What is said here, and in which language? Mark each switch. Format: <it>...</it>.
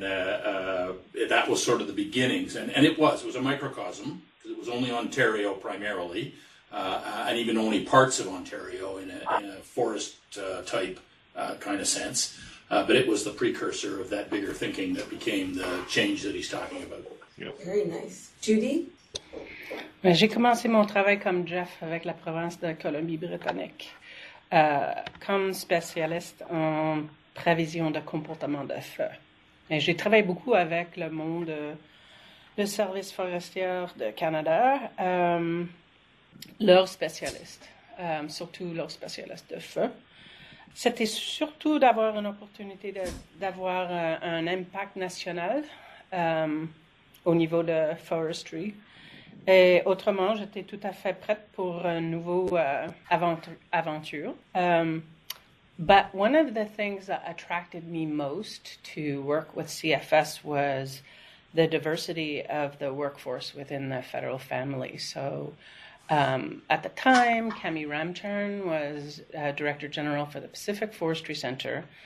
<en>And that was sort of the beginnings. And it was a microcosm, because it was only Ontario primarily, and even only parts of Ontario in a forest-type kind of sense. But it was the precursor of that bigger thinking that became the change that he's talking about. Yep. Very nice. Judy?</en> <fr>J'ai commencé mon travail comme Geoff avec la province de Colombie-Britannique, comme spécialiste en prévision de comportement de feu. Et j'ai travaillé beaucoup avec le monde du service forestier de Canada, leurs spécialistes, surtout leurs spécialistes de feu. C'était surtout d'avoir une opportunité d'avoir un impact national au niveau de forestry. Et autrement, j'étais tout à fait prête pour une nouvelle aventure.</fr> <en>But one of the things that attracted me most to work with CFS was the diversity of the workforce within the federal family. So at the time, Cammie Ramturn was Director General for the Pacific Forestry Centre.</en>